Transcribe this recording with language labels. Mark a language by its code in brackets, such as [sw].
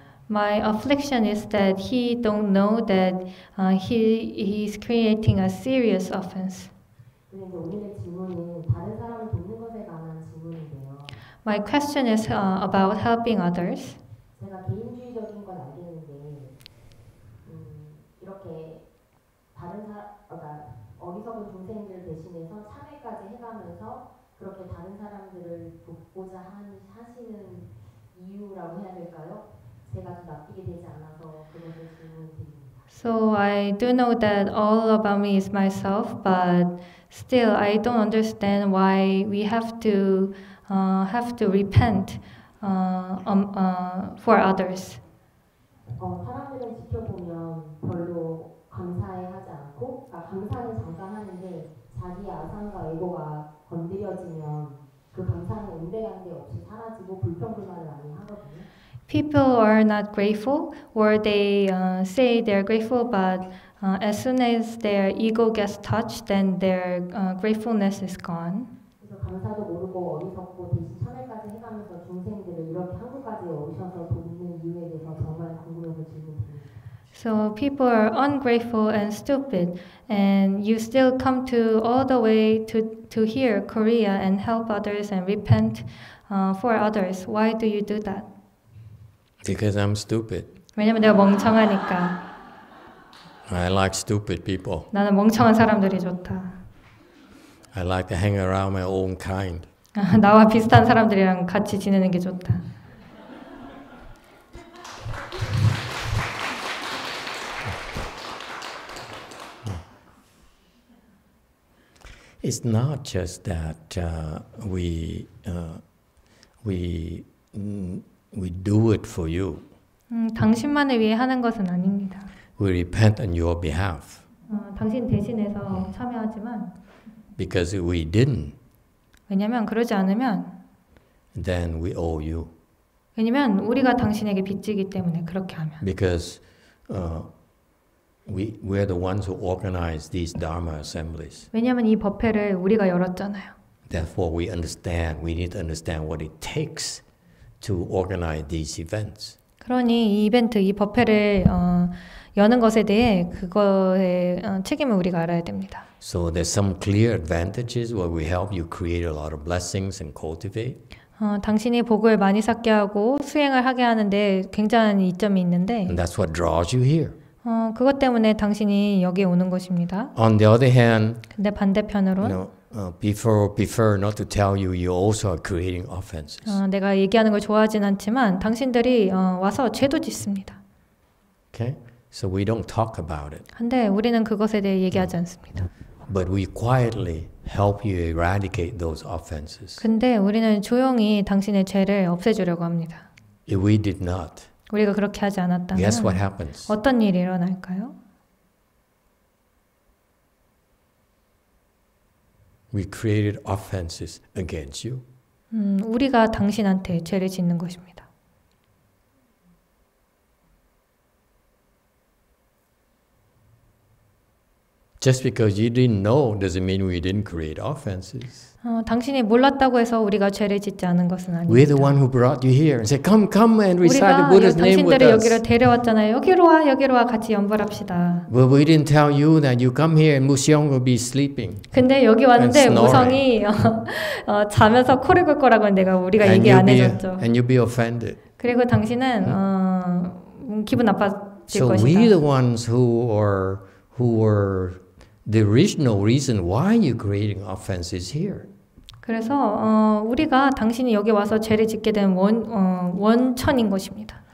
[en] My affliction is that he don't know that he's creating a serious offense. [ko] 다른 사람을 돕는 것에 관한 질문인데요. [en] My question is about helping others. [ko] 제가 개인주의적인 건 알겠는데 이렇게 어리석은 동생들 대신해서 참회까지 해가면서 그렇게 다른 사람들을 돕고자 하시는 이유라고 해야 될까요? 제가 좀 나쁘게 되지 않아서 그런 질문입니다. [en] So I do know that all about me is myself, but still I don't understand why we have to repent for others. [ko] 사람들을 지켜보면 별로 감사해하지 않고, 감사는 잠깐 하는데 자기 아상과 에고가 건드려지면 그 감사는 온데간데 없이 사라지고 불평불만을 많이 하거든요. [en] People are not grateful, or they say they're grateful, but as soon as their ego gets touched, then their gratefulness is gone. [ko] 그래서 감사도 모르고 어리석고 대신 참회까지 해가면서 중생들을 이렇게 한국까지 오셔서 돕는 이유에 대해서 정말 궁금해서 질문드립니다. [en] So people are ungrateful and stupid, and you still come to all the way to here, Korea, and help others and repent for others. Why do you do that? Because I'm stupid. [ko] 왜냐면 내가 멍청하니까. [en] I like stupid people. [ko] 나는 멍청한 사람들이 좋다. [en] I like to hang around my own kind. [ko] 나와 비슷한 사람들이랑 같이 지내는 게 좋다. [en] It's not just that we do it for you. [ko] 당신만을 위해 하는 것은 아닙니다. [en] We repent on your behalf. [ko] 당신 대신해서 참여하지만. [en] Because we didn't. [ko] 왜냐면 그러지 않으면. [en] Then we owe you. [ko] 왜냐면 우리가 당신에게 빚지기 때문에 그렇게 하면. [en] Because we are the ones who organize these dharma assemblies. [ko] 왜냐면 이 법회를 우리가 열었잖아요. [en] Therefore, we understand. We need to understand what it takes. To organize these events. [ko] 그러니 이 이벤트, 이 법회를 여는 것에 대해 그거의 책임을 우리가 알아야 됩니다. [en] So there's some clear advantages where we help you create a lot of blessings and cultivate. [ko] 당신이 복을 많이 쌓게 하고 수행을 하게 하는데 굉장한 이점이 있는데. [en] And that's what draws you here. [ko] 그것 때문에 당신이 여기 오는 것입니다. [en] On the other hand, [ko] 근데 반대편으로. [en] You know, prefer not to tell you. You also are creating offenses. [ko] 내가 얘기하는 걸 좋아하진 않지만 당신들이 와서 죄도 짓습니다. [en] Okay, so we don't talk about it. [ko] 근데 우리는 그것에 대해 얘기하지 않습니다. [en] But we quietly help you eradicate those offenses. [ko] 근데 우리는 조용히 당신의 죄를 없애주려고 합니다. [en] If we did not, [ko] 우리가 그렇게 하지 않았다면, [en] guess what happens? [ko] 어떤 일이 일어날까요? [en] We created offenses against you. [ko] 우리가 당신한테 죄를 짓는 것입니다. [en] Just because you didn't know doesn't mean we didn't create offenses. [ko] 당신이 몰랐다고 해서 우리가 죄를 짓지 않은 것은 아니다. [en] We're the one who brought you here and said, "Come, come and recite the Buddha's name with us." [ko] 우리가 당신들을 여기로 데려왔잖아요. 여기로 와, 여기로 와, 같이 연불합시다. [en] But we didn't tell you that you come here and Musyong will be sleeping. [ko] 근데 여기 왔는데 무성이 자면서 코를 끌 거라고 내가 우리가 얘기 안 해줬죠. [en] And you'll be offended. [ko] 그리고 당신은 기분 나빠질 [en] so [ko] 것이다. [en] So we're the ones who were the original reason why you're creating offenses here. [ko] 그래서 우리가 당신이 여기 와서 죄를 짓게 된 원천인 것입니다.